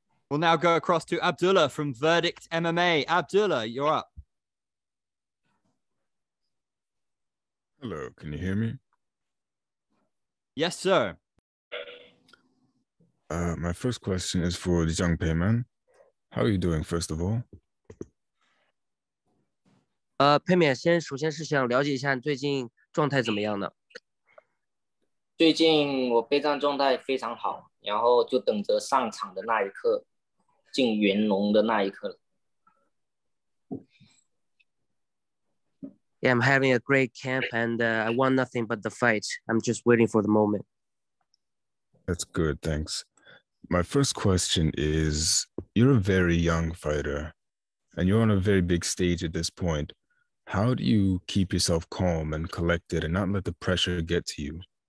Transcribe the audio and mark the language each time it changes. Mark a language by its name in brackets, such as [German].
[English] We'll now go across to Abdullah from Verdict MMA. Abdullah, you're up. Hello, can you hear me? Yes, sir. My first question is for the Zhang Peimian. How are you doing, first of all? [Chinese] 佩冕先首先是想了解一下你最近状态怎么样呢? 最近我备战状态非常好，然后就等着上场的那一刻，进云龙的那一刻了。Yeah, [English] I'm having a great camp and I want nothing but the fight. I'm just waiting for the moment. That's good, thanks. My first question is, you're a very young fighter and you're on a very big stage at this point. How do you keep yourself calm and collected and not let the pressure get to you?